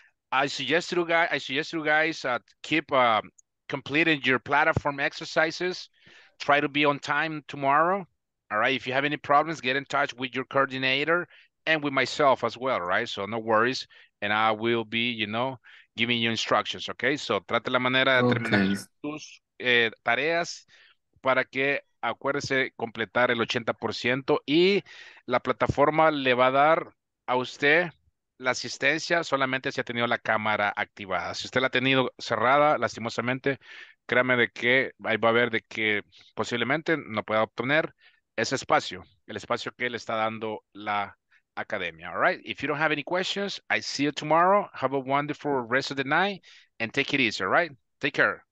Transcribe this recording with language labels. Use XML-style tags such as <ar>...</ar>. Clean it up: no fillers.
<en>I suggest you guys keep completing your platform exercises. Try to be on time tomorrow. All right. If you have any problems, get in touch with your coordinator and with myself as well, right? So no worries. And I will be, you know, giving you instructions, okay?</en> <es>So trate la manera de terminar tus tareas para que acuérdese completar el 80% y la plataforma le va a dar a usted la asistencia solamente si ha tenido la cámara activada. Si usted la ha tenido cerrada, lastimosamente, créame de que ahí va a ver de que posiblemente no pueda obtener ese espacio, el espacio que le está dando la academia.</es> <en>All right. If you don't have any questions, I see you tomorrow. Have a wonderful rest of the night and take it easy. All right. Take care.</en>